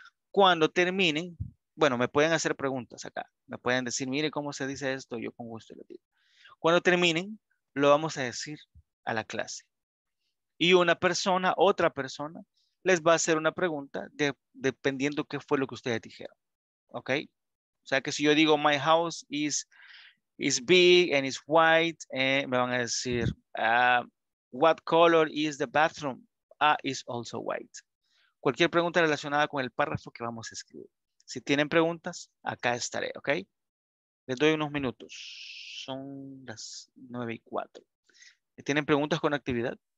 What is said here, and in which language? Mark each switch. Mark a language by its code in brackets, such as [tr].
[es] Cuando terminen, bueno, me pueden hacer preguntas acá. Me pueden decir, mire cómo se dice esto, yo con gusto lo digo. Cuando terminen, lo vamos a decir a la clase. Y una persona, otra persona, les va a hacer una pregunta dependiendo qué fue lo que ustedes dijeron. ¿Ok? O sea que si yo digo, [en] my house is big and it's white, [es] me van a decir, [en] what color is the bathroom? Is also white. [es] Cualquier pregunta relacionada con el párrafo que vamos a escribir. Si tienen preguntas, acá estaré, ¿ok? Les doy unos minutos. Son las 9:04. ¿Tienen preguntas con actividad?